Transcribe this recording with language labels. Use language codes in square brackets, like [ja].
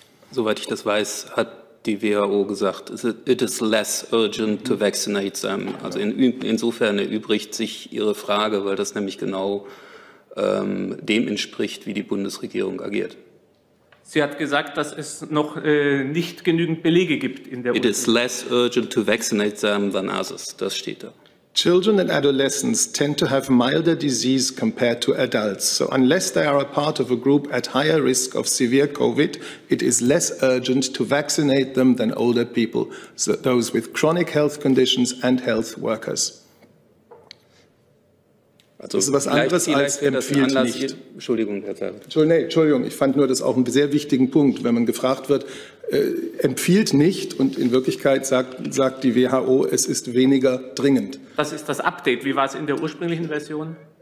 [de] Soweit ich das weiß, hat die WHO gesagt, [en] it is less urgent to vaccinate them. [de] Also insofern erübrigt sich Ihre Frage, weil das nämlich genau dem entspricht, wie die Bundesregierung agiert. Sie hat gesagt, dass es noch nicht genügend Belege gibt in der [en] It is less urgent to vaccinate them than others. [de] Das steht da. [en] Children and adolescents tend to have milder disease compared to adults. So unless they are a part of a group at higher risk of severe COVID, it is less urgent to vaccinate them than older people, so those with chronic health conditions and health workers. [de] Also das ist was anderes als empfiehlt nicht. Entschuldigung, Herr Zeit. Entschuldigung, ich fand nur das auch einen sehr wichtigen Punkt, wenn man gefragt wird, empfiehlt nicht und in Wirklichkeit sagt die WHO, es ist weniger dringend. Was ist das Update? Wie war es in der ursprünglichen Version?